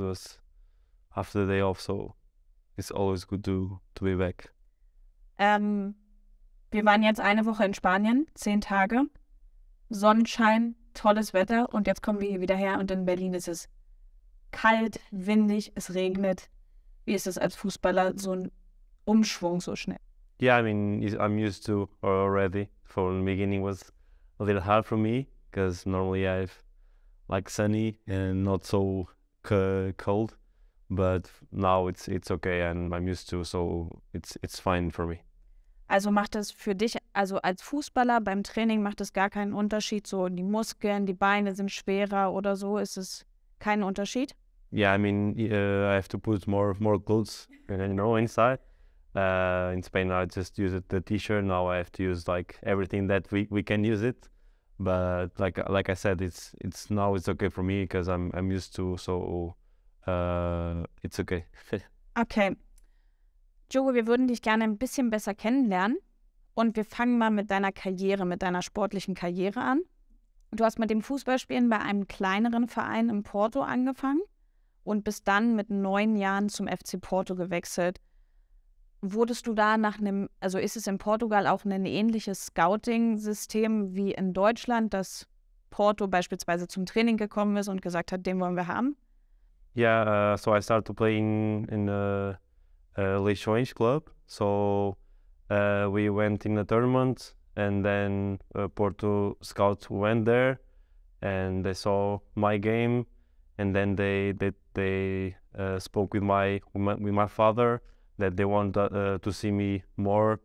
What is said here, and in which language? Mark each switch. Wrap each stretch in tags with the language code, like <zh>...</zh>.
<en>It was after the day off, so it's always good to be back.</en> <de>Wir waren jetzt eine Woche in Spanien, 10 Tage, Sonnenschein, tolles Wetter und jetzt kommen wir hier wieder her und in Berlin ist es kalt, windig, es regnet. Wie ist es als Fußballer, so ein Umschwung so schnell?</de> <en>Yeah, I mean, I'm used to already. From the beginning was a little hard for me, because normally I've like sunny and not so cold, but now it's okay and I'm used to, so it's fine for me.</en> <de>Also macht das für dich, also als Fußballer beim Training, macht das gar keinen Unterschied? So die Muskeln, die Beine sind schwerer oder so, ist es kein Unterschied?</de> <en>Yeah, I mean, I have to put more clothes, you know, inside. In Spain I just use the t-shirt, now I have to use like everything that we can use it. But like I said, it's now it's okay for me because I'm used to, so it's okay. Okay.</en> <de>Diogo, wir würden dich gerne ein bisschen besser kennenlernen und wir fangen mal mit deiner Karriere, mit deiner sportlichen Karriere an. Du hast mit dem Fußballspielen bei einem kleineren Verein in Porto angefangen und bist dann mit 9 Jahren zum FC Porto gewechselt. Wurdest du da nach einem, also ist es in Portugal auch ein ähnliches Scouting-System wie in Deutschland, dass Porto beispielsweise zum Training gekommen ist und gesagt hat, den wollen wir haben?</de> <en>Yeah, so I started to play in a Lichuanian club. So we went in a tournament and then Porto scouts went there and they saw my game and then they spoke with my father that they want to see me more.</en>